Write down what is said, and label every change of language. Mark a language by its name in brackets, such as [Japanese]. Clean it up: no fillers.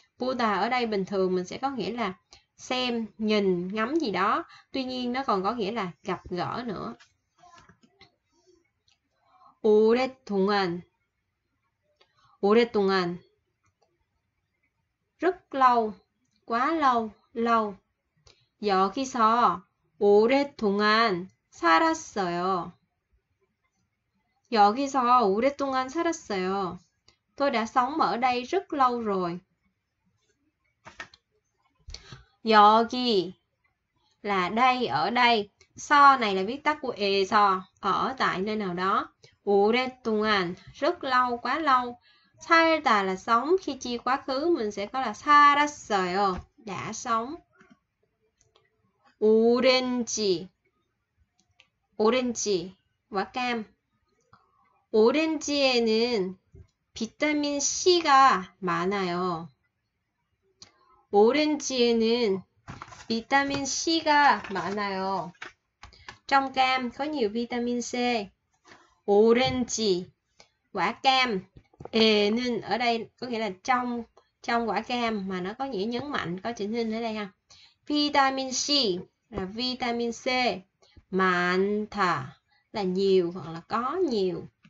[Vietnamese] 보다 ở đây bình thường mình sẽ có nghĩa là xem, nhìn, ngắm gì đó. Tuy nhiên nó còn có nghĩa là gặp gỡ nữa. 오랫동안, 오랫동안, rất lâu, quá lâu, lâu. [Korean] 여기서 오랫동안 살았어요. 여기서 오랫동안 살았어요. [Vietnamese] Tôi đã sống ở đây rất lâu rồi. 여기 là đây, ở đây. 서 này là viết tắt của 에서, ở tại nơi nào đó. 오랫동안, rất lâu, quá lâu. 살다 là sống. Khi chi quá khứ mình sẽ có là 살았어요, đã sống. 오렌지, 오렌지, quả cam. [Korean] 오렌지에는 비타민 C가 많아요. 오렌지에는 비타민 C가 많아요. [Vietnamese] Trong cam có nhiều vitamin C. 오렌지, quả cam. 에는 ở đây có nghĩa là trong, trong quả cam mà nó có nghĩa nhấn mạnh, có chữ hình ở đây ha. Vitamin C là vitamin C. 많다 là nhiều hoặc là có nhiều.